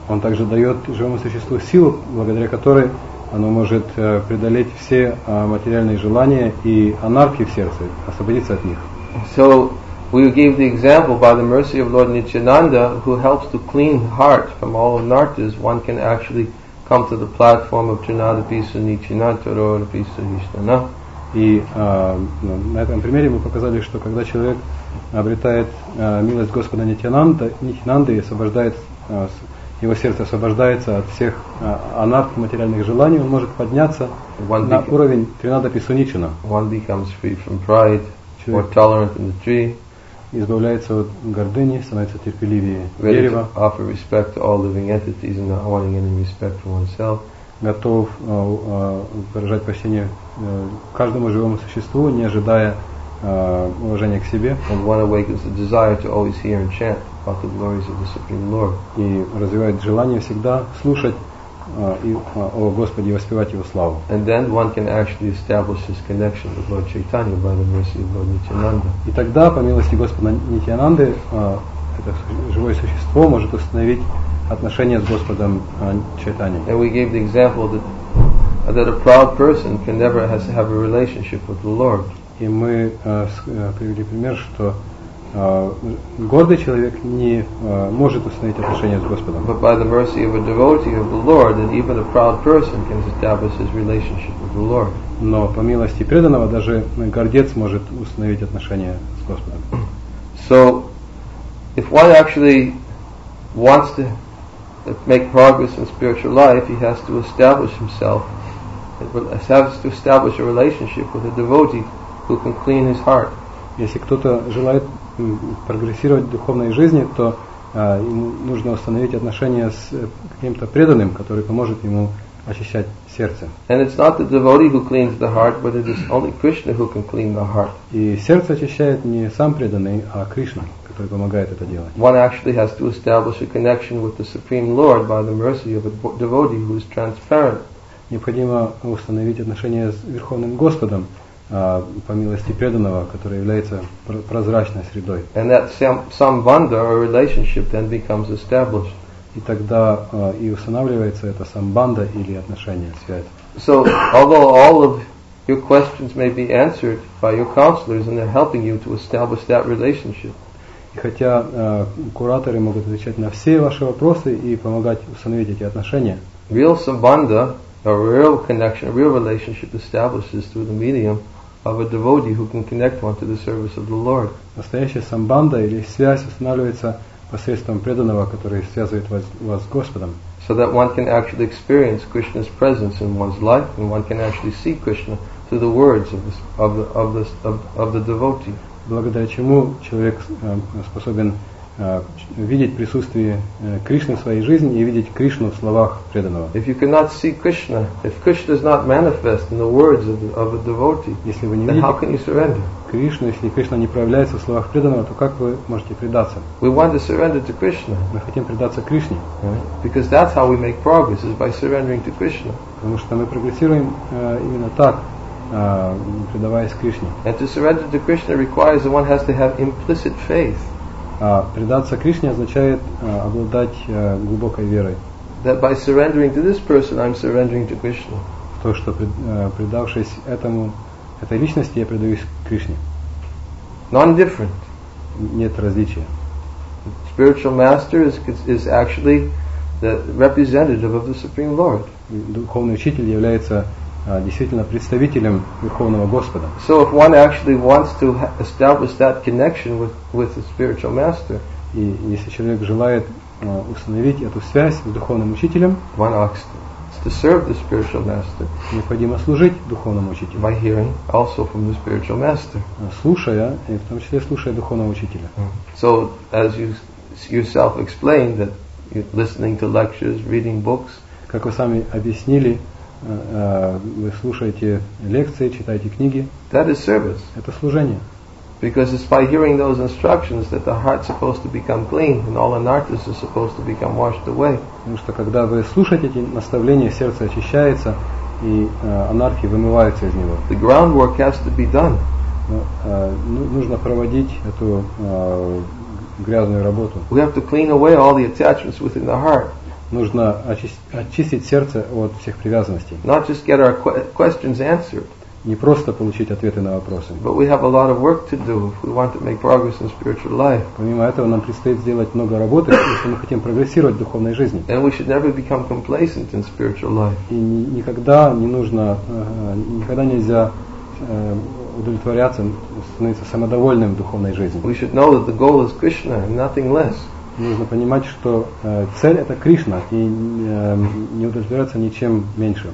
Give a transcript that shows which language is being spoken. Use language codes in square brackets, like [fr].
[ru] Он также дает живому существу силу, благодаря которой оно может преодолеть все материальные желания и анархии в сердце, освободиться от них. [en] So we gave the example by the mercy of Lord Nityananda who helps to clean heart from all anarthas. One can actually come to the platform of Trinadapisa Nichinantaro and Pisa Hishtana. [ru] И на этом примере мы показали, что когда человек обретает милость Господа Нитянанды и освобождает его сердце освобождается от всех анарт материальных желаний, он может подняться на уровень Trinadapisa Nichina. [en] One becomes free from pride, more tolerant in the tree. [ru] Избавляется от гордыни, становится терпеливее дерево. [en] Offer respect to all living entities and not wanting any respect for oneself. [ru] Готов выражать почтение каждому живому существу, не ожидая уважения к себе. [en] And one awakens the desire to always hear and chant about the glories of the Supreme Lord. [ru] И развивает желание всегда слушать о Господе и воспевать Его славу. [en] And then one can actually establish his connection with Lord Chaitanya by the mercy of Lord Nityananda. [ru] И тогда, по милости Господа Нитянанды, это живое существо может установить отношения с Господом Чайтаньей. [en] And we gave the example that a proud person can never have a relationship with the Lord. [ru] И мы привели пример, что гордый человек не может установить отношения с Господом. [en] But by the mercy of a devotee of the Lord, that even a proud person can establish his relationship with the Lord. [ru] Но по милости преданного даже гордец может установить отношения с Господом. [en] So, if one actually wants to make progress in spiritual life, he has to establish himself. He has to establish a relationship with a devotee who can clean his heart. [ru] если кто-то желает прогрессировать в духовной жизни, то ему нужно установить отношения с каким-то преданным, который поможет ему очищать сердце. [en] And it's not the devotee who cleans the heart, but it is only Krishna who can clean the heart. [ru] И сердце очищает не сам преданный, а Кришна, который помогает это делать. [en] One actually has to establish a connection with the Supreme Lord by the mercy of a devotee who is transparent. [ru] Необходимо установить отношения с Верховным Господом по милости преданного, который является прозрачной средой. [en] And that sambandha or relationship then becomes established. [ru] И тогда и устанавливается эта самбанда или отношение, связь. [en] So, although all of your questions may be answered by your counselors and they're helping you to establish that relationship. [ru] И хотя кураторы могут отвечать на все ваши вопросы и помогать установить эти отношения. [en] Real samvanda, a real connection, a real relationship establishes through the medium of a devotee who can connect one to the service of the Lord. [ru] Настоящая самбанда или связь устанавливается посредством преданного, который связывает вас с Господом. [en] So that one can actually experience Krishna's presence in one's life, and one can actually see Krishna through the words of the devotee. [ru] Благодаря чему человек способен видеть присутствие Кришны в своей жизни и видеть Кришну в словах преданного. [en] If you cannot see Krishna, if Krishna is not manifest in the words of a devotee, then how can you surrender? [ru] Кришну, если Кришна не проявляется в словах преданного, то как вы можете предаться? [en] We want to surrender to Krishna. [ru] Мы хотим предаться Кришне. [en] Right? Because that's how we make progress, is by surrendering to Krishna. [ru] Потому что мы прогрессируем именно так, предаваясь Кришне. [en] And to surrender to Krishna requires that one has to have implicit faith. [ru] Предаться Кришне означает обладать глубокой верой. [en] That by surrendering to this person, I'm surrendering to Krishna. [ru] То, что предавшись этому, этой личности, я предаюсь Кришне. [en] Non-different. [ru] Нет различия. [en] Spiritual master is actually the representative of the Supreme Lord. [ru] Духовный учитель является действительно представителем Верховного Господа. [en] So if one actually wants to establish that connection with the spiritual master, [ru] и если человек желает установить эту связь с духовным учителем, [en] one has to serve the spiritual master, [ru] необходимо служить духовному учителю. [en] By hearing also from the spiritual master, [ru] слушая и в том числе слушая духовного учителя. [en] So as you yourself explained that you're listening to lectures, reading books, [ru] как вы сами объяснили. Вы слушаете лекции, читаете книги. [en] That is service. [ru] Это служение. [en] Because it's by hearing those instructions that the heart's supposed to become clean and all anarthas are supposed to become washed away. [ru] Потому что когда вы слушаете эти наставления, сердце очищается и анархии вымываются из него. [en] The groundwork has to be done. [ru] Нужно проводить эту грязную работу. [en] We have to clean away all the attachments within the heart. [ru] Нужно очистить сердце от всех привязанностей. [en] Not just get our questions answered. [ru] Не просто получить ответы на вопросы. [en] But we have a lot of work to do if we want to make progress in spiritual life. [ru] Помимо этого, нам предстоит сделать много работы, если мы хотим прогрессировать в духовной жизни. [en] And we should never become complacent in spiritual life. [ru] И никогда не нужно, никогда нельзя удовлетворяться, становиться самодовольным в духовной жизни. [en] We should know that the goal is Krishna and nothing less. [ru] Нужно понимать, что цель это Кришна и не удовлетворяться ничем меньше.